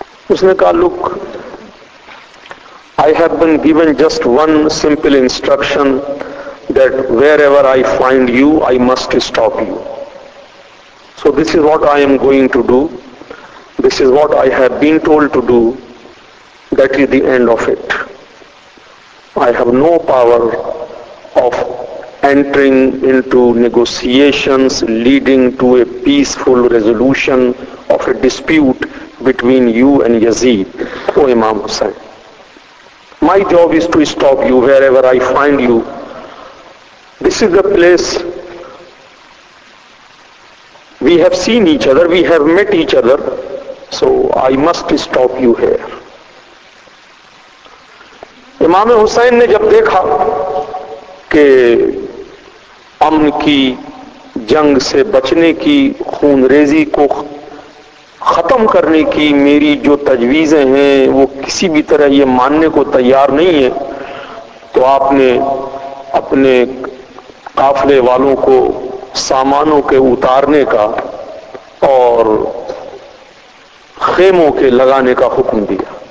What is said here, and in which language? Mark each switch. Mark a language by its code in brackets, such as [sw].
[hi] उसने कहा, [en] Look, I have been given just one simple instruction that wherever I find you I must stop you. So this is what I am going to do, this is what I have been told to do, that is the end of it. I have no power of entering into negotiations leading to a peaceful resolution of a dispute between you and Yazid, O Imam Hussain. My job is to stop you wherever I find you. This is the place. We have seen each other, we have met each other, so I must stop you here. [hi] Imam Hussain ne jab dekha के अमन की, जंग से बचने की, खूनरेजी को ख़त्म करने की मेरी जो तजवीज़ें हैं वो किसी भी तरह ये मानने को तैयार नहीं है, तो आपने अपने काफले वालों को सामानों के उतारने का और खेमों के लगाने का हुक्म दिया.